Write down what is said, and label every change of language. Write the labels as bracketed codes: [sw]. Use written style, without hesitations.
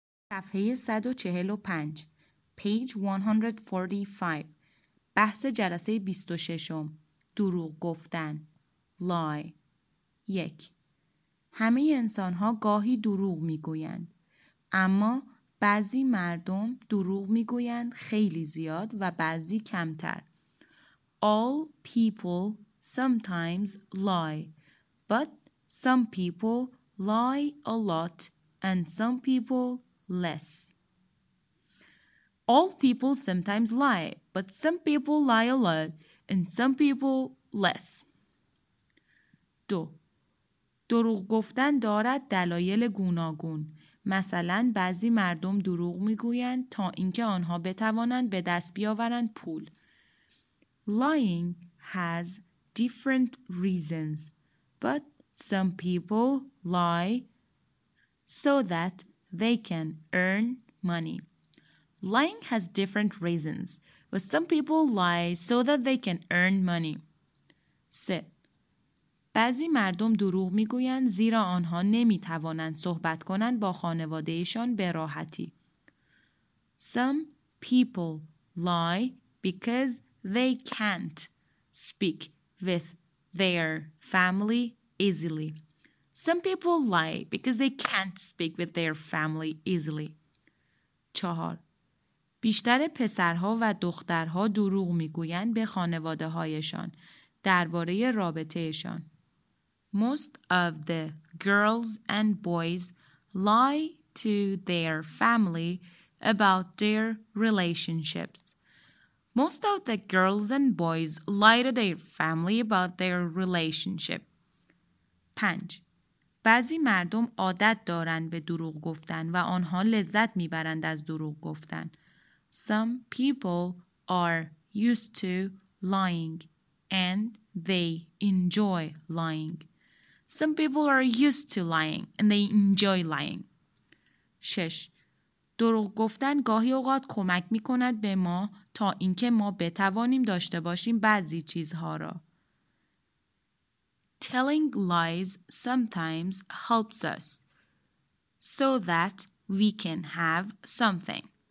[fa] صفحه 145 [en] Page 145 [fa] بحث جلسه 26 دروغ گفتن Lie 1 همه انسان ها گاهی دروغ می گویند اما بعضی مردم دروغ می گویند خیلی زیاد و بعضی کمتر [en] All people sometimes lie but some people lie a lot and some people less. All people sometimes lie, but some people lie a lot and some people less. [fa] دو دروغ گفتن دارد دلایل گوناگون. مثلا بعضی مردم دروغ میگویند تا اینکه آنها بتوانند به دست بیاورند پول. [en] Lying has different reasons, but some people lie so that they can earn money. Lying has different reasons, but some people lie so that they can earn money. 3. [fa] بعضی مردم دروغ میگویند زیرا آنها نمیتوانند صحبت کنند با خانواده‌شان به راحتی. [en] Some people lie because they can't speak with their family easily. Some people lie because they can't speak with their family easily. 4. [fa] بیشتر پسرها و دخترها دروغ میگویند به خانواده‌هایشان درباره رابطه‌شان. [en] Most of the girls and boys lie to their family about their relationships. Most of the girls and boys lie to their family about their relationship. 5. [fa] بعضی مردم عادت دارند به دروغ گفتن و آنها لذت میبرند از دروغ گفتن. [en] Some people are used to lying and they enjoy lying. Some people are used to lying and they enjoy lying. 6. [fa] دروغ گفتن گاهی اوقات کمک میکند به ما تا اینکه ما بتوانیم داشته باشیم بعضی چیزها را. [en] Telling lies sometimes helps us so that we can have something.